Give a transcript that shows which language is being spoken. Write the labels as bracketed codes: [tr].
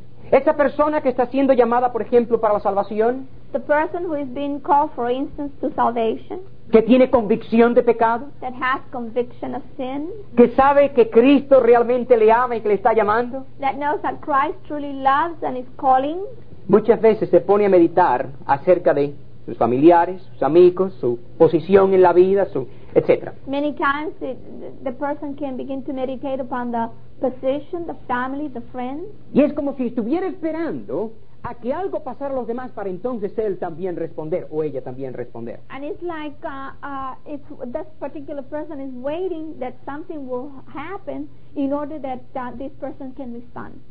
[es] Esa persona que está siendo llamada, por ejemplo, para la salvación. [en] The person who is being called, for instance, to salvation. [es] Que tiene convicción de pecado. [en] That has conviction of sin. [es] Que sabe que Cristo realmente le ama y que le está llamando. [en] That knows that Christ truly loves and is calling. [es] Muchas veces se pone a meditar acerca de sus familiares, sus amigos, su posición en la vida, su etc. [en] Many times the person can begin to meditate upon the position, the family, the friends. [es] Y es como si estuviera esperando a que algo pasara a los demás para entonces él también responder o ella también responder. [en] And it's like if this particular person is waiting that something will happen in order that this person can respond.